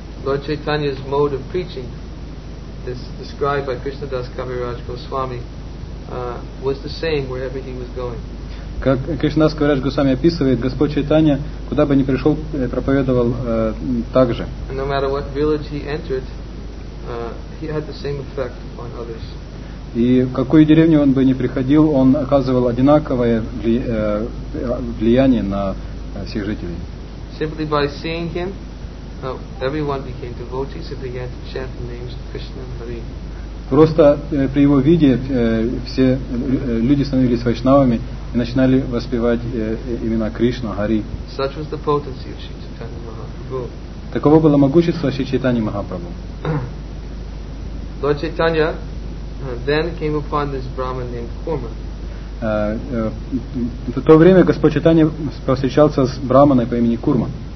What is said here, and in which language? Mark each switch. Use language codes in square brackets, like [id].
[en] Lord Chaitanya's mode of preaching, this described by Krishnadas Kaviraj Goswami, was the same wherever he was going. [ru] Как Кришнадас Кавирадж Госвами описывает, Господь Чайтанья, куда бы ни пришел, проповедовал так же. [en] No matter what village he entered, he had the same effect on others. [ru] И в какую деревню он бы ни приходил, он оказывал одинаковое влияние на всех жителей. [en] Simply by seeing him, everyone became devotees and began to chant the names of Krishna and Hari. [ru] Просто при его виде все люди становились вайшнавами и начинали воспевать имена Кришна, Хари. [en] Such was the potency of Sri Chaitanya Mahaprabhu. [ru] Таково было могущество Шри Чайтаньи Махапрабху. [en] Lord Chaitanya then came upon this Brahmin named Kurma. [ru] В то время Господь Чайтанья повстречался с Брахманой по имени Курма.